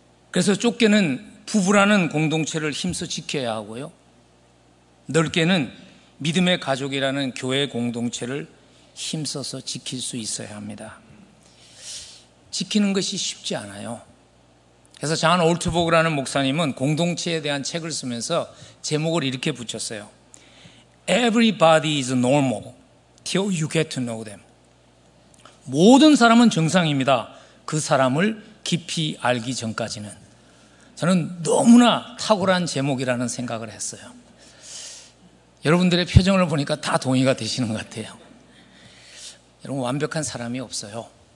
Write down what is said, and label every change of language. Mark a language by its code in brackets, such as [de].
[ko] 그래서 좁게는 부부라는 공동체를 힘써 지켜야 하고요, 넓게는 믿음의 가족이라는 교회 공동체를 힘써서 지킬 수 있어야 합니다. 지키는 것이 쉽지 않아요. 그래서 잔 올트버그라는 목사님은 공동체에 대한 책을 쓰면서 제목을 이렇게 붙였어요. [en] Everybody is normal till you get to know them. [ko] 모든 사람은 정상입니다. 그 사람을 깊이 알기 전까지는. 저는 너무나 탁월한 제목이라는 생각을 했어요. 여러분들의 표정을 보니까 다 동의가 되시는 것 같아요. 여러분, 완벽한 사람이 없어요.